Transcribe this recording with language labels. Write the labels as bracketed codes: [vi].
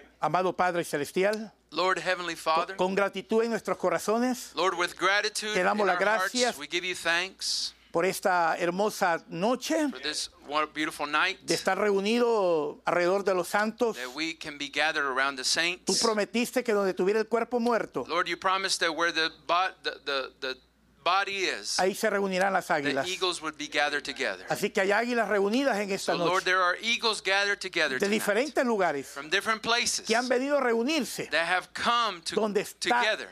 [es] Amado Padre Celestial, [en] Lord Heavenly Father, [es] con gratitud en nuestros corazones, [en] Lord, with gratitude [es] te damos [en] in [es] las [en] our [es] gracias [en] hearts, we give you thanks [es] por esta hermosa noche, [en] for this beautiful night, [es] de estar reunido alrededor de los santos, [en] that we can be gathered around the saints. [es] Tú prometiste que donde tuviera el cuerpo muerto, [en] Lord, you promised that where the body is, [es] ahí se reunirán las águilas. [en] The eagles would be gathered together. [es] Así que hay águilas reunidas en esta [en] so, [es] noche. [en] Lord, there are eagles gathered together [es] de diferentes [en] tonight, [es] lugares [en] from different places [es] que han venido a reunirse [en] that have come to, [es] donde está, [en] together